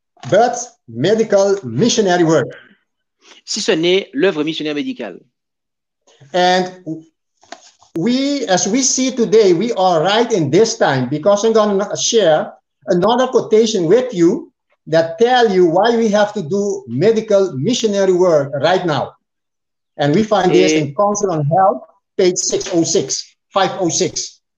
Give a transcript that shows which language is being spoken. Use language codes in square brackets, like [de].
[en] But medical missionary work. [fr] Si ce n'est l'œuvre missionnaire médicale. [en] And we, as we see today, we are right in this time because I'm going to share another quotation with you that tell you why we have to do medical missionary work right now. And we find this in Council on Health, page 506.